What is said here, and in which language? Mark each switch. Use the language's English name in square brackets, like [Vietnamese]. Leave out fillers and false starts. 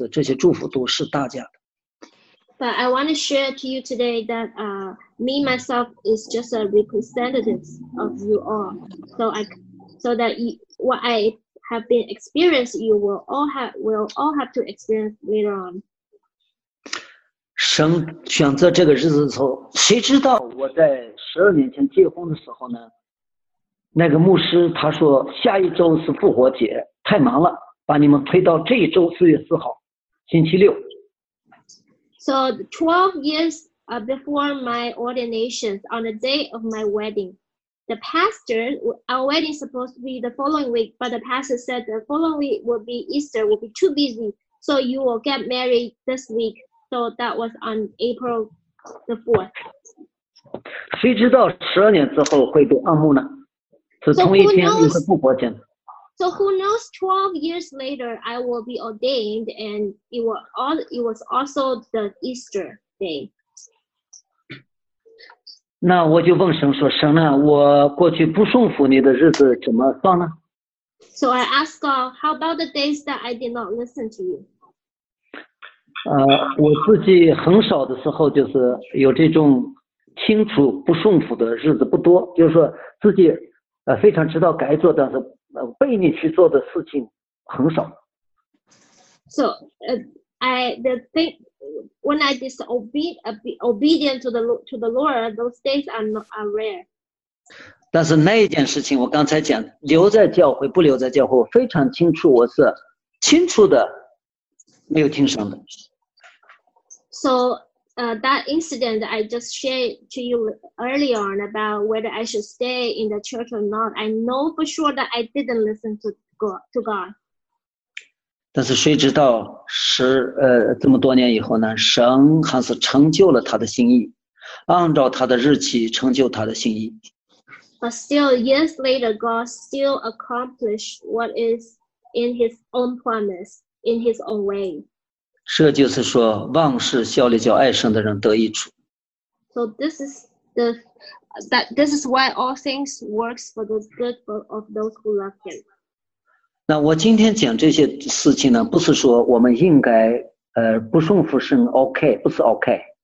[Chinese] 我再次给你讲呢，给大家讲呢，就我只是大家的一个代表，就是说让我先经历这些呢，就是这些祝福都是大家的。But [English] I want to share to you today that me myself is just a representative of you all. So that what I have been experienced, you will all have to experience later on. [Chinese] 神选择这个日子的时候，谁知道我在十二年前结婚的时候呢？那个牧师他说下一周是复活节，太忙了，把你们推到这一周四月四号，星期六。 [English] So 12 years before my ordination, on the day of my wedding, the pastor, our wedding supposed to be the following week, but the pastor said the following week will be Easter, will be too busy, so you will get married this week. So that was on April the 4th. [Chinese] 谁知道12年之后会被暗牧呢？是同一天又是复活节。 [English] So who knows, 12 years later, I will be ordained, and it was also the Easter day. [Chinese] 那我就问神说，神啊，我过去不顺服你的日子怎么算呢？ [English] So I ask God, how about the days that I did not listen to you? [Chinese] 我自己很少的时候就是有这种清楚不顺服的日子不多，就是说自己非常知道该做，但是被你去做的事情很少。 [English] So, when I disobedient to the Lord, those days are rare. [Chinese] 但是那一件事情，我刚才讲留在教会不留在教会，我非常清楚，我是清楚的，没有听神的。 [English] So, that incident I just shared to you early on about whether I should stay in the church or not, I know for sure that I didn't listen to God. [Chinese] 但是谁知道这么多年以后呢，神还是成就了他的心意，按照他的日期成就他的心意。 [English] But still, years later, God still accomplished what is in his own promise, in his own way. [Chinese] 这就是说万事效力叫爱神的人得益处。 [English] So this is why all things works for the good of those who love him. [Chinese] 那我今天讲这些事情呢，不是说我们应该不顺服神 OK， 不是 OK。